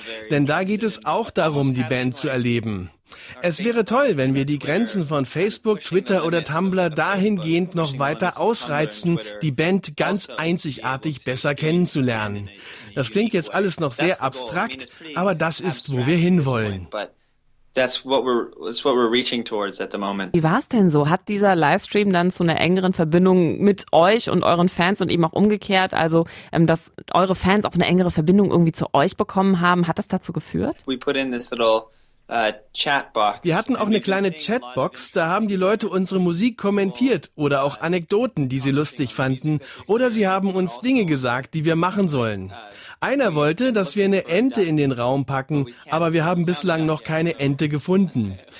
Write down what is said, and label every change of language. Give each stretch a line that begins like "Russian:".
German: Denn da geht es auch darum, die Band zu erleben. Es wäre toll, wenn wir die Grenzen von Facebook, Twitter oder Tumblr dahingehend noch weiter ausreizen, die Band ganz einzigartig besser kennenzulernen. Das klingt jetzt alles noch sehr abstrakt, aber das ist, wo wir hinwollen.
English: That's what we're reaching towards at the moment.
German: Wie war es denn so? Hat dieser Livestream dann zu einer engeren Verbindung mit euch und euren Fans und eben auch umgekehrt, also dass eure Fans auch eine engere Verbindung irgendwie zu euch bekommen haben, hat das dazu geführt?
English: We put in this little Chatbox.
German: Wir hatten auch eine kleine Chatbox, da haben die Leute unsere Musik kommentiert oder auch Anekdoten, die sie lustig fanden, oder sie haben uns Dinge gesagt, die wir machen sollen. Einer wollte, dass wir eine Ente in den Raum packen, aber wir haben bislang noch keine Ente gefunden.